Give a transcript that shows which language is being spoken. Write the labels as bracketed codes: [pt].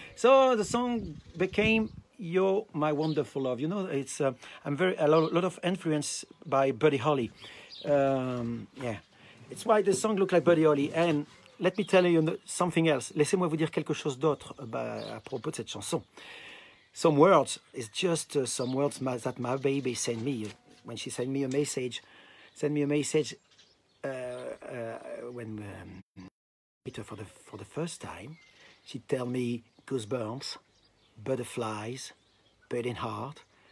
[en] So the song became You're My Wonderful Love. You know, it's I'm a lot of influence by Buddy Holly. Yeah, it's why the song looks like Buddy Holly. And let me tell you something else. [fr] Laissez-moi vous dire quelque chose d'autre à propos de cette chanson. [en] Some words. It's just some words that my baby sent me when she sent me a message. Sent me a message when. For the first time, she tell me goosebumps, butterflies, beating heart.